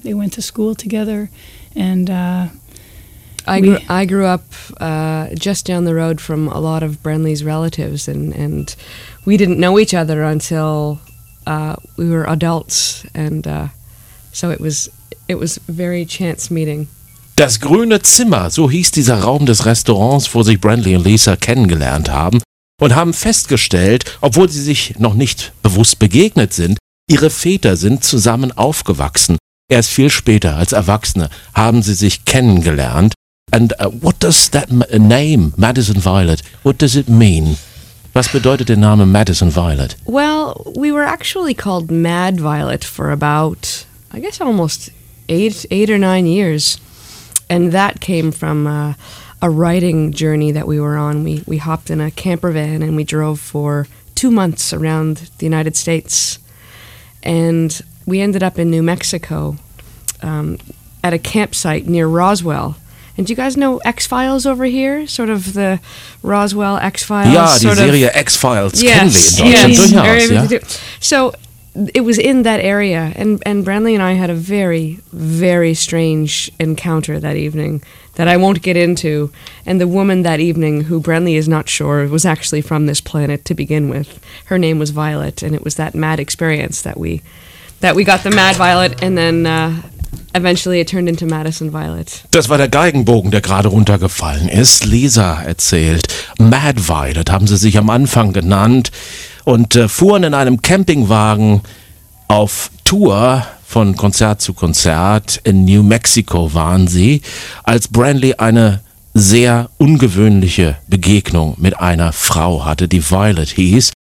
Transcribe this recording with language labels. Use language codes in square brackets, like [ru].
[en] They went to school together, and I grew up just down the road from a lot of Brenly's relatives, and we didn't know each other until we were adults, and so it was very chance meeting. [de] Das grüne Zimmer, so hieß dieser Raum des Restaurants, wo sich Brenly und Lisa kennengelernt haben, und haben festgestellt, obwohl sie sich noch nicht bewusst begegnet sind, ihre Väter sind zusammen aufgewachsen. Erst viel später, als Erwachsene, haben sie sich kennengelernt. [en] And what does that name, Madison Violet, what does it mean? [de] Was bedeutet der Name Madison Violet? [en] Well, we were actually called Mad Violet for about, I guess, almost eight or nine years. And that came from a writing journey that we were on. We hopped in a camper van and we drove for 2 months around the United States. And we ended up in New Mexico at a campsite near Roswell. And do you guys know X-Files over here? Sort of the Roswell X-Files? [de] Ja, die Serie X-Files kennen wir in Deutschland durchaus. [en] So it was in that area. And Brenly and I had a very, very strange encounter that evening that I won't get into. And the woman that evening, who Brenly is not sure, was actually from this planet to begin with. Her name was Violet, and it was that mad experience that we got the Mad Violet, and then eventually it turned into Madison Violet. [de] Das war der Geigenbogen, der gerade runtergefallen ist. Lisa erzählt, Mad Violet haben sie sich am Anfang genannt und fuhren in einem Campingwagen auf Tour. Von Konzert zu Konzert in New Mexico waren sie, als Brenly eine sehr ungewöhnliche Begegnung mit einer Frau hatte, die Violet hieß.